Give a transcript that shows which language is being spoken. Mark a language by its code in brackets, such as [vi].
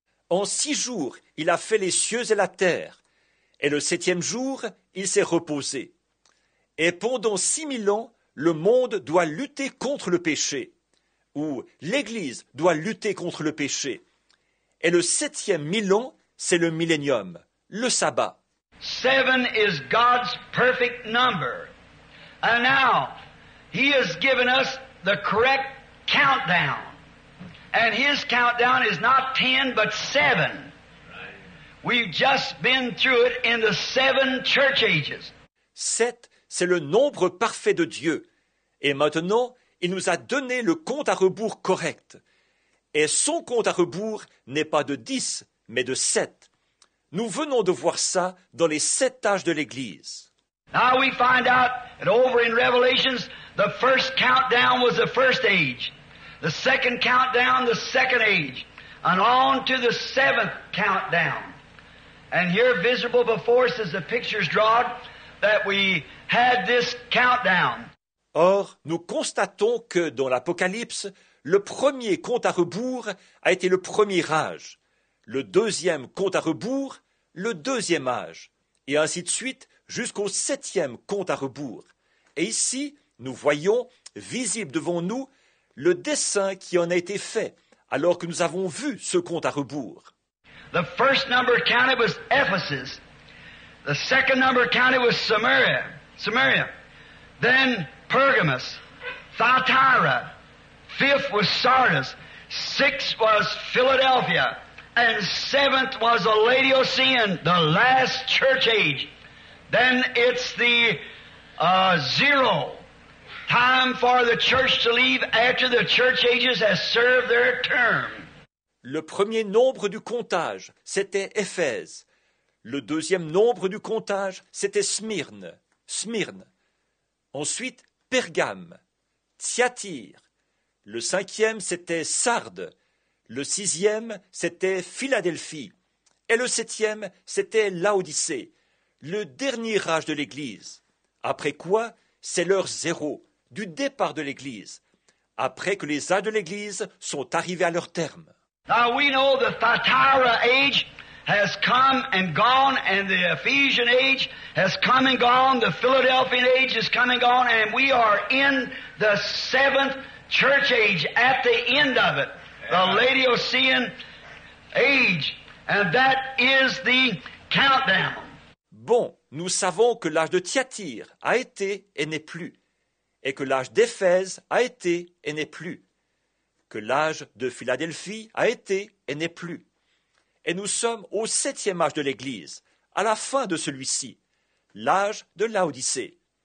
[fr] En 6 jours, il a fait les cieux et la terre, et le 7e jour, il s'est reposé. Et pendant 6,000 ans, le monde doit lutter contre le péché, ou l'Église doit lutter contre le péché. Et le 7e 1,000 ans, c'est le millénium, le sabbat. [en] 7 is God's perfect number. And now, he has given us the correct countdown. And his countdown is not 10, but 7. We've just been through it in the 7 church ages. [fr] 7, c'est le nombre parfait de Dieu. Et maintenant, il nous a donné le compte à rebours correct. Et son compte à rebours n'est pas de 10, mais de 7. Nous venons de voir ça dans les 7 âges de l'Église. [en] Now we find out that over in Revelations, the first countdown was the first age. The second countdown, the second age. And on to the 7th countdown. And here visible before us as the pictures drawn, that we had this countdown. [fr] Or, nous constatons que dans l'Apocalypse, le premier compte à rebours a été le premier âge. Le 2e compte à rebours, le 2e âge, et ainsi de suite jusqu'au 7e compte à rebours. Et ici, nous voyons, visible devant nous, le dessin qui en a été fait, alors que nous avons vu ce compte à rebours. [en] The first number counted was Ephesus. The second number counted was Samaria. Then Pergamos, Thyatira. 5th was Sardis. 6th was Philadelphia. And 7th was the Laodicean, the last church age. Then it's the zero time for the church to leave after the church ages has served their term. [fr] Le premier nombre du comptage, c'était Éphèse. Le 2e nombre du comptage, c'était Smyrne. Ensuite, Pergame, Thyatire. Le 5e, c'était Sardes. Le 6e, c'était Philadelphie. Et le 7e, c'était Laodicée, le dernier âge de l'Église. Après quoi, c'est l'heure zéro du départ de l'Église. après que les saints de l'Église sont arrivés à leur terme. [en] Now we know the Thyatira age has come and gone, and the Ephesian age has come and gone, the Philadelphian age has come and gone, and we are in the seventh church age at the end of it, the Laodicean age, and that is the countdown. [fr] Bon, nous savons que l'âge de Thyatire a été et n'est plus, et que l'âge d'Éphèse a été et n'est plus, que l'âge de Philadelphie a été et n'est plus. Et nous sommes au septième âge de l'Église, à la fin de celui-ci, l'âge de Laodicée.